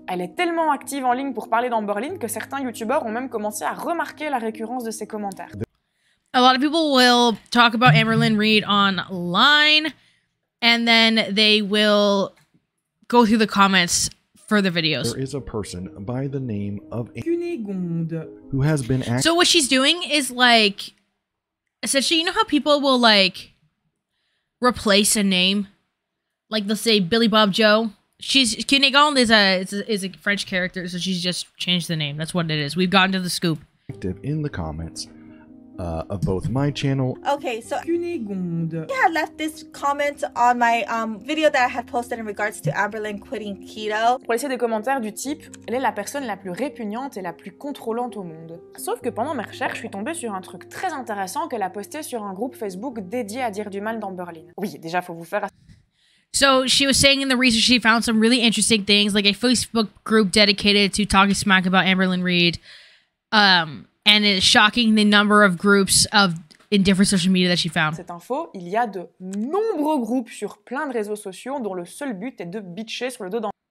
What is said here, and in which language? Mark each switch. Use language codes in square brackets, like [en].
[fr] Elle est tellement active en ligne pour parler d'Amberlynn que certains YouTubers ont même commencé à remarquer la récurrence de ses commentaires. [en] A lot of people will talk about Amberlynn Reid online and then they will go through the comments for the videos. There is a person by the name of Cunégonde who has been acting. So what she's doing is like, essentially, you know how people will like replace a name, like they'll say Billy Bob Joe. She's Cunégonde is a French character, so she's just changed the name. That's what it is. We've gotten to the scoop. Active in the comments. Of both my channel. Okay, so Cunégonde had left this comment on my video that I had posted in regards to Amberlynn quitting keto. [fr] Pour laisser des commentaires du type, elle est la personne la plus répugnante et la plus contrôlante au monde. Sauf que pendant mes recherches, je suis tombée sur un truc très intéressant qu'elle a posté sur un groupe Facebook dédié à dire du mal d'Amberlynn. Oui, déjà, faut vous faire... [en] So, she was saying in the research she found some really interesting things, like a Facebook group dedicated to talking smack about Amberlynn Reid. And it's shocking the number of groups of in different social media that she found. [fr] Cette info, il y a de nombreux groupes sur plein de réseaux sociaux dont le seul but est de bitcher sur le dos d'en.